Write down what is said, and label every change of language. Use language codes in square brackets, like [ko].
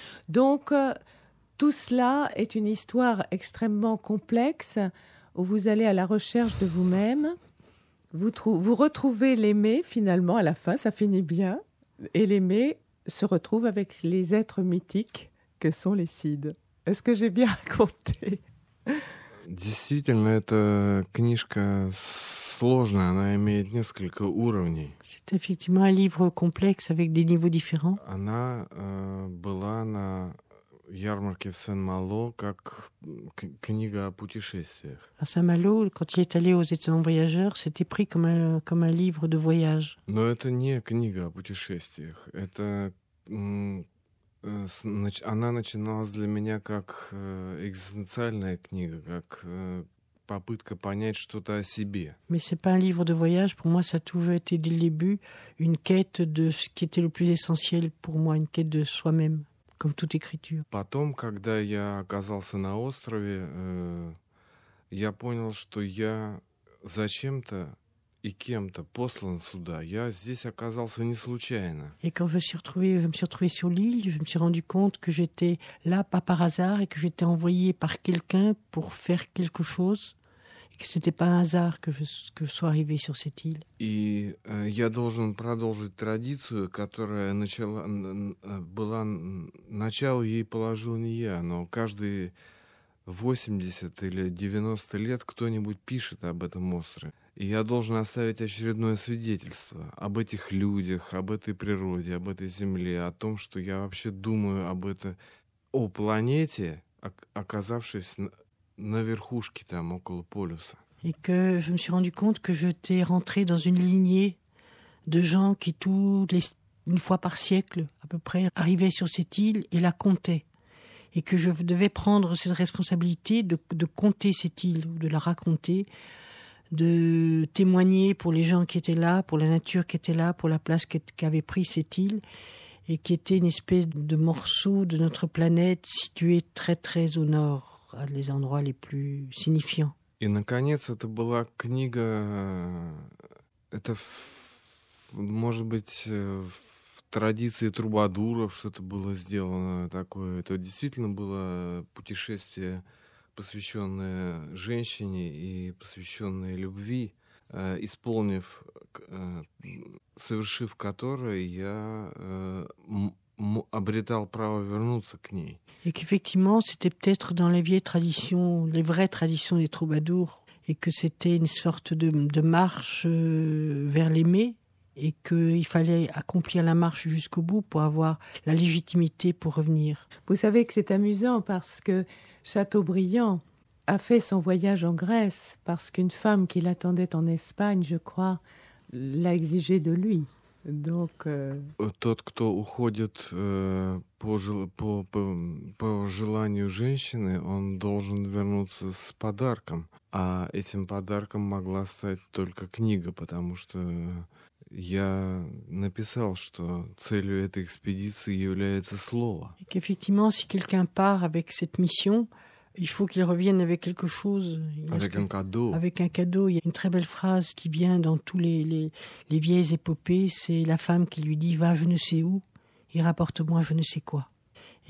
[fr] Donc, tout cela est une histoire extrêmement complexe où vous allez à la recherche de vous-même. Vous retrouvez l'aimé, finalement, à la fin, ça finit bien. Et l'aimé se retrouve avec les êtres mythiques que sont les Cides. Est-ce que j'ai bien raconté ? [ru] Действительно, эта книжка сложная, она имеет несколько уровней. [fr] C'est effectivement un livre complexe avec des niveaux différents. [ru] Она была на ярмарке в Сен-Мало как книга о путешествиях. [fr] À Saint-Malo, quand il est allé aux étudiants voyageurs, c'était pris comme un livre de voyage. [ru] Но это не книга о путешествиях. Это она начиналась для меня как экзистенциальная книга, как попытка понять что-то о себе. [fr] Mais c'est pas un livre de voyage. Pour moi, ça a toujours été dès le début une quête de ce qui était le plus essentiel pour moi, une quête de soi-même, comme toute écriture. [ru] Потом, когда я оказался на острове, я понял, что я зачем-то и кем-то послан сюда, я здесь оказался не случайно. [fr] Et quand je me suis retrouvé sur l'île, je me suis rendu compte que j'étais là pas par hasard et que j'étais envoyé par quelqu'un pour faire quelque chose et que c'était pas un hasard que je sois arrivé sur cette île. [ru] Я должен продолжить традицию, которая начала была начало ей положил не я, но каждый 80 или 90 лет кто-нибудь пишет об этом острове. И я должен оставить очередное свидетельство об этих людях, об этой природе, об этой земле, о том, что я вообще думаю об этом, о планете, оказавшись на верхушке там, около полюса. [fr] И que je me suis rendu compte que j'étais rentré dans une lignée de gens qui une fois par siècle, à peu près, arrivaient sur cette île et la comptaient. Et que je devais prendre cette responsabilité de compter cette île, de la raconter, de témoigner pour les gens qui étaient là, pour la nature qui était là, pour la place qu'avait pris cette île, et qui était une espèce de morceau de notre planète situé très très au nord, à des endroits les plus signifiants. [ru] Et наконец, это была книга, это, может быть, традиции трубадуров, что-то было сделано такое. Это действительно было путешествие, посвященное женщине и посвященное любви, исполнив, совершив которое, я обретал право вернуться к ней. [fr] Et qu'effectivement, c'était peut-être dans les vieilles traditions, les vraies traditions des troubadours, et que c'était une sorte de marche vers l'aimé. Et qu'il fallait accomplir la marche jusqu'au bout pour avoir la légitimité pour revenir. Vous savez que c'est amusant parce que Chateaubriand a fait son voyage en Grèce parce qu'une femme qui l'attendait en Espagne, je crois, l'a exigé de lui. Donc. [ru] Тот, кто уходит по желанию женщины, он должен вернуться с подарком, а этим подарком могла стать только книга, потому что я написал, что целью этой экспедиции является слово. [fr] Effectivement, si quelqu'un part avec cette mission, il faut qu'il revienne avec quelque chose. Avec un cadeau. Avec un cadeau. Il y a une très belle phrase qui vient dans tous les vieilles épopées. C'est la femme qui lui dit « Va, je ne sais où, et rapporte-moi je ne sais quoi ».